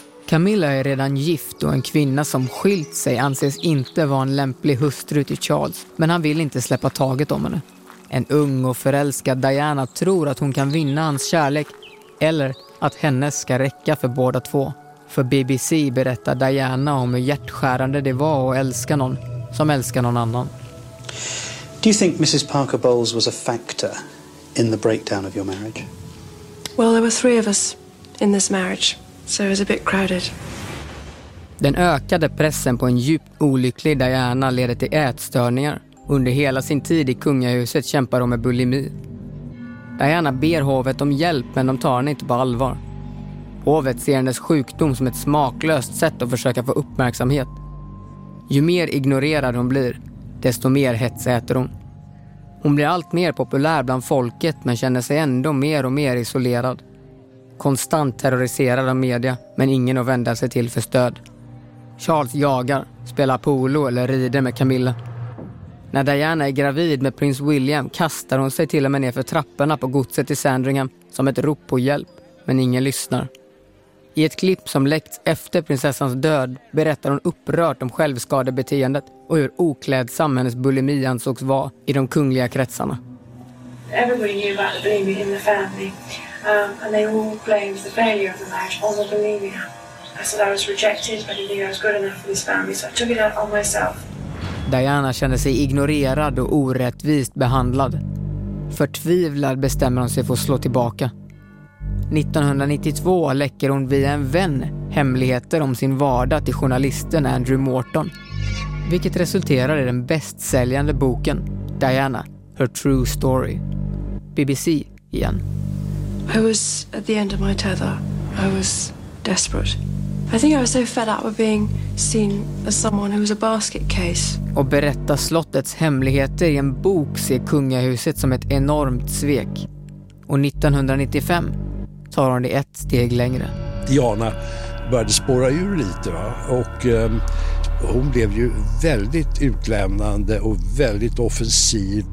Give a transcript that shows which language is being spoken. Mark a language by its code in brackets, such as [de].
[sv] Camilla är redan gift och en kvinna som skilt sig anses inte vara en lämplig hustru till Charles, men han vill inte släppa taget om henne. En ung och förälskad Diana tror att hon kan vinna hans kärlek eller att hennes ska räcka för båda två. För BBC berättar Diana om hur hjärtskärande det var att älska någon som älskar någon annan. [en] Do you think Mrs. Parker Bowles was a factor in the breakdown of your marriage? Well, there were three of us in this marriage, so it was a bit crowded. [sv] Den ökade pressen på en djupt olycklig Diana leder till ätstörningar. Under hela sin tid i kungahuset kämpar hon med bulimi. Diana ber hovet om hjälp, men de tar henne inte på allvar. Hovet ser hennes sjukdom som ett smaklöst sätt att försöka få uppmärksamhet. Ju mer ignorerad hon blir, desto mer hets äter hon. Hon blir allt mer populär bland folket, men känner sig ändå mer och mer isolerad. Konstant terroriserad av media, men ingen att vända sig till för stöd. Charles jagar, spelar polo eller rider med Camilla. När Diana är gravid med prins William kastar hon sig till och med ner för trapporna på godset i Sandringham som ett rop på hjälp, men ingen lyssnar. I ett klipp som läckts efter prinsessans död berättar hon upprört om självskadebeteendet och hur oklädsam hennes bulimi ansågs vara i de kungliga kretsarna. [en] Everybody knew about the bulimia in the family, and they all blamed the failure of the marriage on the bulimia. I said I was rejected, but I knew I was good enough for this family, so I took it out on myself. [sv] Diana känner sig ignorerad och orättvist behandlad. Förtvivlad bestämmer hon sig för att slå tillbaka. 1992 läcker hon via en vän hemligheter om sin vardag till journalisten Andrew Morton, vilket resulterar i den bästsäljande boken Diana, Her True Story. BBC igen. [en] I was at the end of my tether. I was desperate. I think I was so fed up with being seen as someone who was a basket case. [sv] Och berätta slottets hemligheter i en bok ser kungahuset som ett enormt svek. Och 1995 tar hon det ett steg längre. Diana började spåra ur lite, va? Och hon blev ju väldigt utlämnande och väldigt offensiv.